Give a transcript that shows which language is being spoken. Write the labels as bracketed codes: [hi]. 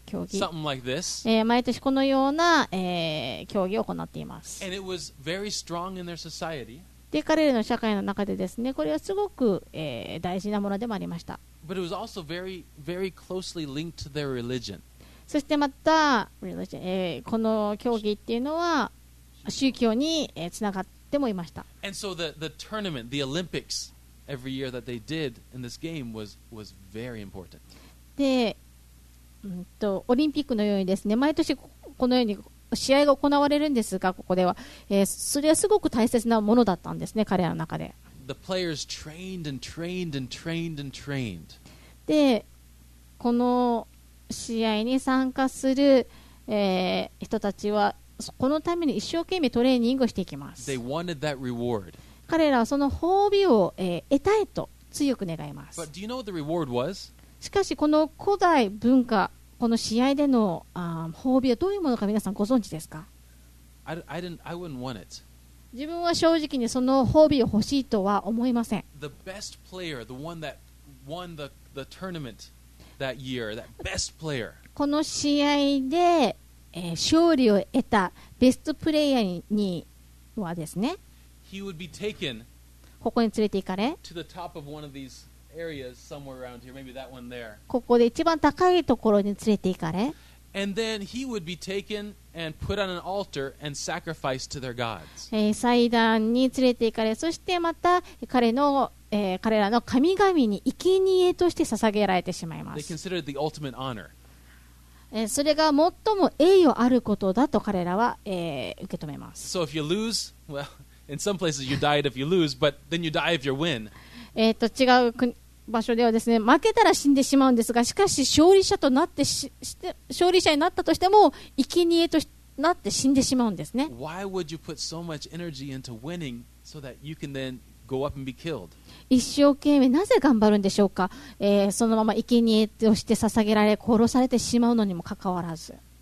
[ja] 毎年このような、競技を行っています。 [en] And it was very strong in their society [ja] で、彼らの社会の中でですね、これはすごく、大事なものでもありました。 [en] But it was also very, very closely linked to their religion. [ja] そしてまた、religion、この競技っていうのは宗教に、つながってもいました。 [en] And so the tournament, the Olympics, every year that they did in this game was very important. [ja] で、オリンピックのようにですね、毎年このように試合が行われるんですが、ここでは、それはすごく大切なものだったんですね、彼らの中で。 [en] The players trained and trained and trained and trained. [ja] で、この試合に参加する、人たちはこのために一生懸命トレーニングをしていきます。 [en] They wanted that reward. [ja] 彼らはその褒美を、得たいと強く願います。 [en] But do you know what the reward was? [ja] しかしこの古代文化、この試合での褒美はどういうものか皆さんご存知ですか？ [en] I wouldn't want it. [ja] 自分は正直にその褒美を欲しいとは思いません。 [en] The best player, the one that won the tournament that year, that best player. [ja] この試合で、勝利を得たベストプレイヤーにはですね、 [en] He would be taken [ja] ここに連れて行かれ、 [en] to the top of one of theseAreas somewhere around here, maybe that one there. [ja] ここで一番高いところに連れて行かれ。 [en] And then he would be taken and put on an altar and sacrificed to their gods. [ja] 祭壇に連れて行かれ、そしてまた彼らの神々に生贄として捧げられてしまいます。 [en] They considered the ultimate honor. [ja] それが最も栄誉あることだと彼らは、受け止めます。 [en] So if you lose, well, in some places you died if you lose, but then you die if you win. [ja] 違う場所ではですね、負けたら死んでしまうんですが、しかし勝利者となって勝利者になったとしても生贄となって死んでしまうんですね。 [en] Why would you put so much energy into winning so that you can then go up and be killed? [ja] 一生懸命なぜ頑張るんでしょうか、そのまま生贄として捧げられ殺されてしまうのにもかかわらず。